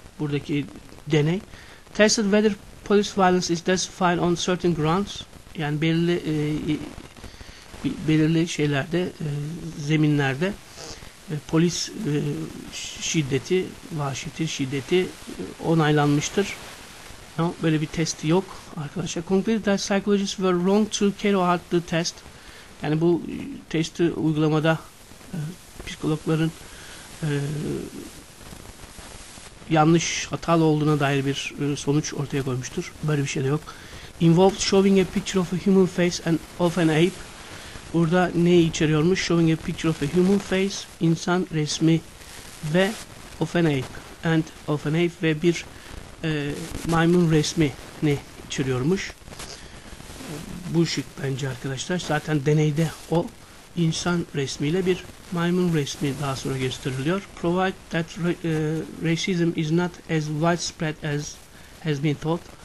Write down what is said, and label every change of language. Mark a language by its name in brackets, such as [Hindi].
[Turkish] Buradaki deney. [English] Tested whether police violence is justified on certain grounds. [Turkish] Yani belirli belirli şeylerde, zeminlerde polis şiddeti, vahşeti, şiddeti onaylanmıştır. No, böyle bir test yok arkadaşlar. [English] Concluded that psychologists were wrong to carry out the test. [Turkish] Yani bu testi uygulamada psikologların yanlış, hatalı olduğuna dair bir sonuç ortaya koymuştur. Böyle bir şey de yok. [English] Involved showing a picture of a human face and of an ape. [Turkish] Burada ne içeriyormuş? [English] Showing a picture of a human face, [Turkish] insan resmi ve [English] of an ape. And of an ape [Turkish] ve bir maymun resmi ne içeriyormuş? Bu şık bence arkadaşlar. Zaten deneyde o insan resmiyle bir maymun resmi daha sonra gösteriliyor. [English] Provide that racism is not as widespread as has been thought.